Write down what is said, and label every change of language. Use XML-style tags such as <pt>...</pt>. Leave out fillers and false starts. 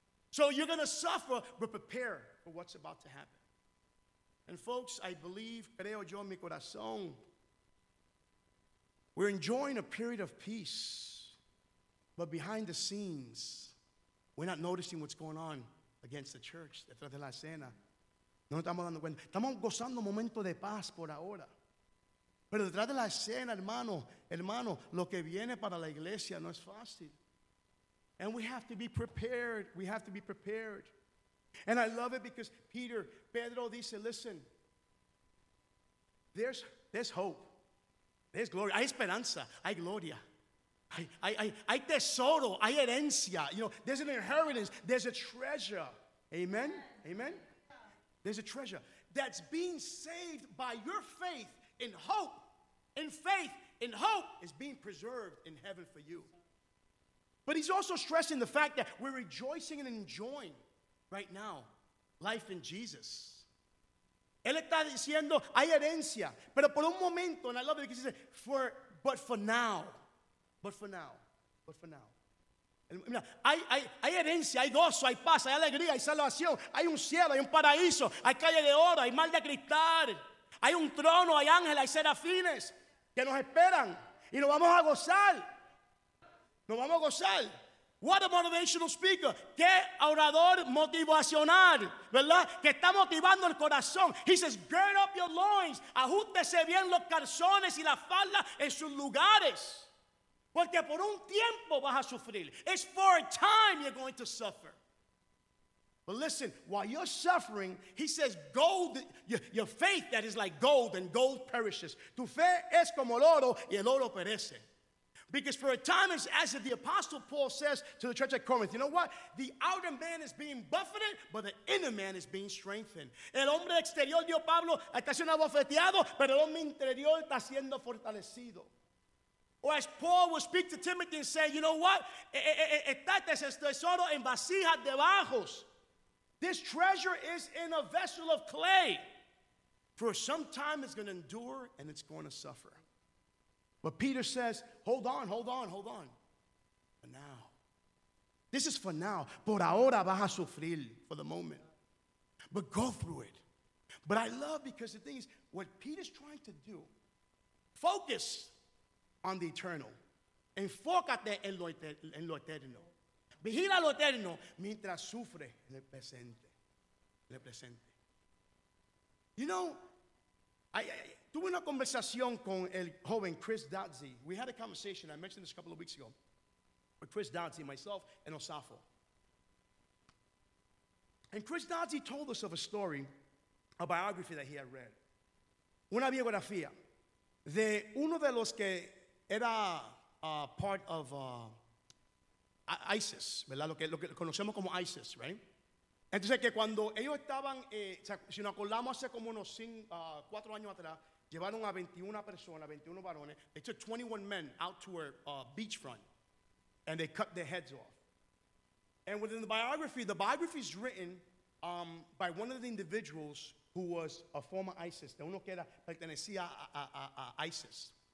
<en>So you're going to suffer, but prepare for what's about to happen. And folks, I believe,</en> <es>creo yo en mi corazón,</es> <en>we're enjoying a period of peace. But behind the scenes, we're not noticing what's going on against the church,</en> <es>detrás de la escena. No estamos dando cuenta. Estamos gozando un momento de paz por ahora. Pero detrás de la escena, hermano, lo que viene para la iglesia no es fácil.</es> <en>And we have to be prepared. We have to be prepared. And I love it because</en> <es>Pedro dice,</es> <en>listen, there's hope. There's glory.</en> <es>Hay esperanza. Hay gloria. Hay tesoro. Hay herencia.</es> <en>You know, there's an inheritance. There's a treasure. Amen? Amen? There's a treasure that's being saved by your faith in hope. In faith, in hope, is being preserved in heaven for you. But he's also stressing the fact that we're rejoicing and enjoying right now life in Jesus.</en> <es>Él está diciendo, hay herencia. Pero por un momento,</es> <en>and I love it because he said, but for now.</en> <es>Mira, hay herencia, hay gozo, hay paz, hay alegría, hay salvación, hay un cielo, hay un paraíso, hay calle de oro, hay mar de cristal, hay un trono, hay ángeles, hay serafines que nos esperan y nos vamos a gozar. Nos vamos a gozar.</es> <en>What a motivational speaker.</en> <es>Qué orador motivacional, ¿verdad? Que está motivando el corazón.</es> <en>He says, gird up your loins.</en> <es>Ajústese bien los calzones y la falda en sus lugares. Porque por un tiempo vas a sufrir.</es> <en>It's for a time you're going to suffer. But listen, while you're suffering, he says, gold, your faith that is like gold and gold perishes.</en> <es>Tu fe es como el oro y el oro perece.</es> <en>Because for a time, it's as if the Apostle Paul says to the church at Corinth, you know what? The outer man is being buffeted, but the inner man is being strengthened.</en> <es>El hombre exterior, dio Pablo, está siendo abofeteado, pero el hombre interior está siendo fortalecido.</es> <en>Or as Paul would speak to Timothy and say, you know what?</en> <es>Está este tesoro en vasijas de barros.</es> <en>This treasure is in a vessel of clay. For some time it's going to endure and it's going to suffer. But Peter says, hold on. For now. This is for now.</en> <es>Por ahora vas a sufrir</es> <en>for the moment. But go through it. But I love because the thing is, what Peter's trying to do, focus on the eternal.</en> <es>Enfócate en lo eterno. Vigila lo eterno mientras sufre en el presente. En el presente.</es> <en>You know, I</en> <es>tuve una conversación con el joven Chris Dodzy.</es> <en>We had a conversation, I mentioned this a couple of weeks ago, with Chris Dodzy, myself, and Osafo. And Chris Dodzy told us of a story, a biography that he had read.</en> <es>Una biografía de uno de los que era</es> <en>part of</en> <es>ISIS, ¿verdad? Lo que conocemos como ISIS, right? Entonces, que cuando ellos estaban, si nos acordamos hace como unos cuatro años atrás, llevaron a 21 personas, 21 varones.</es> <en>They took 21 men out to a beachfront, and they cut their heads off. And within the biography is written by one of the individuals who was a former ISIS,</en> <es>de uno que era, pertenecía a ISIS.</es>